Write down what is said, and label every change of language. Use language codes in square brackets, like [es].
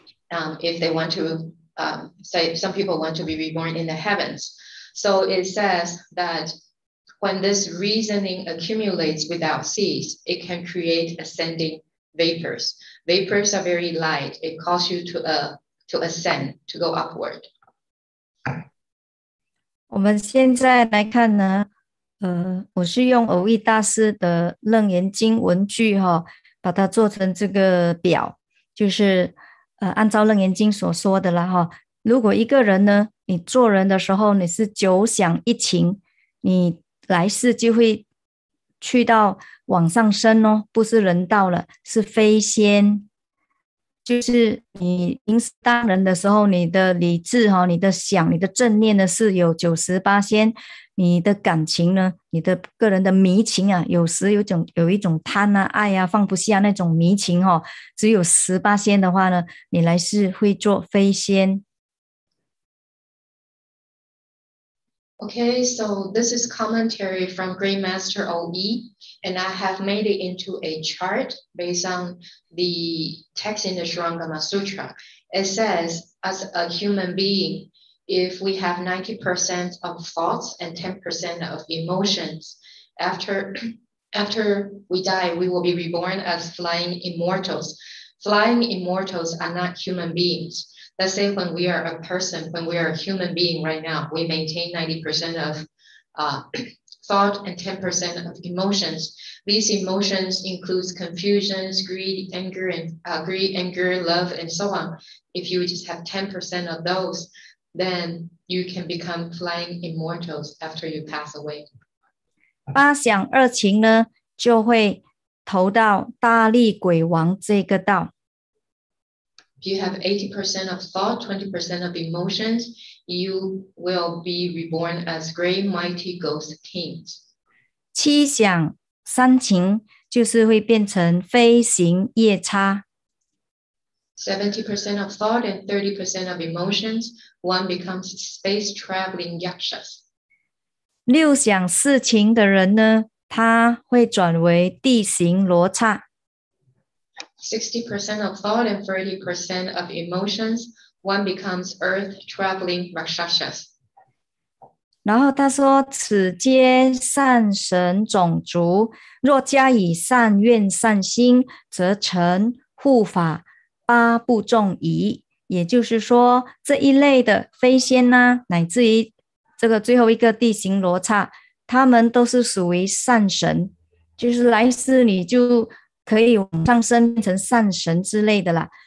[en] if they want to say some people want to be reborn in the heavens. So it says that when this reasoning accumulates without cease, it can create ascending vapors. Vapors are very light. It calls you to ascend, to go upward. [zh] 我们现在来看呢，我是用偶益大师的楞严经文句哈，把它做成这个表，就是按照楞严经所说的啦哈。如果一个人呢，你做人的时候你是九想一情，你来世就会去到往上升哦，不是人道了，是飞仙。就是你临时当人的时候，你的理智哈，你的想，你的正念呢是有98%，你的感情呢，你的个人的迷情啊，有时有一种贪啊、爱啊、放不下那种迷情哈，只有10%的话呢，你来世会做飞仙。 [en] Okay, so this is commentary from Great Master Oyi, and I have made it into a chart based on the text in the Sharangama Sutra. It says, as a human being, if we have 90% of thoughts and 10% of emotions, after we die, we will be reborn as flying immortals. Flying immortals are not human beings. Let's say when we are a person, when we are a human being right now, we maintain 90% of thought and 10% of emotions. These emotions include confusions, greed, anger, love, and so on. If you just have 10% of those, then you can become flying immortals after you pass away. [zh] 八想二情呢，就会投到大力鬼王这个道。 [en] If you have 80% of thought, 20% of emotions, you will be reborn as great mighty ghost kings. [zh] 七想三情就是会变成飞行夜叉。 [en] 70% of thought and 30% of emotions, one becomes space traveling yakshas. [zh] 六想四情的人呢，他会转为地形罗刹。 [en] 60% of thought and 30% of emotions, one becomes earth traveling rakshasas. [zh] 然后他说，此皆善神种族，若加以善愿善心，则成护法八部众仪。也就是说，这一类的飞仙呢，乃至于这个最后一个地形罗刹，他们都是属于善神，就是来世你就可以往上升成善神之类的啦。